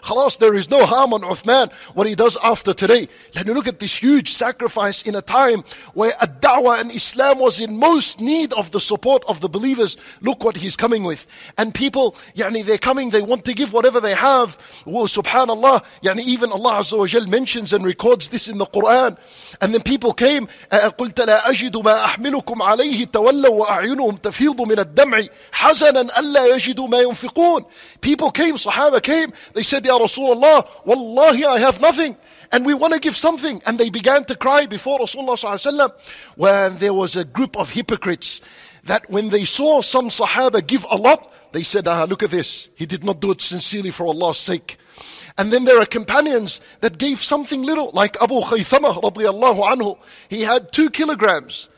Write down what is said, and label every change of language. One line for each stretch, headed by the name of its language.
English: خلاص, there is no harm on Uthman, what he does after today. Let me look at this huge sacrifice in a time where a da'wah and Islam was in most need of the support of the believers. Look what he's coming with. And people, they're coming, they want to give whatever they have. Well, subhanallah, even Allah Azza wa Jal mentions and records this in the Quran. And then people came,
Arabic: قُلْتَ لَا أَجِدُ مَا أَحْمِلُكُمْ عَلَيْهِ تَوَلَّوا وَأَعْيُنُهُمْ تَفِيضُ مِنَ الدَّمْعِ حَزَنًا أَلَّا يَجِدُوا مَا يُنْفِقُونَ.
English: People came, Sahaba came, they said, Ya Rasulullah, wallahi, I have nothing. And we want to give something. And they began to cry before Rasulullah Sallallahu Alaihi Wasallam. When there was a group of hypocrites that when they saw some Sahaba give a lot, they said, look at this. He did not do it sincerely for Allah's sake. And then there are companions that gave something little, like Abu Khaythamah radiallahu anhu. He had 2 kilograms.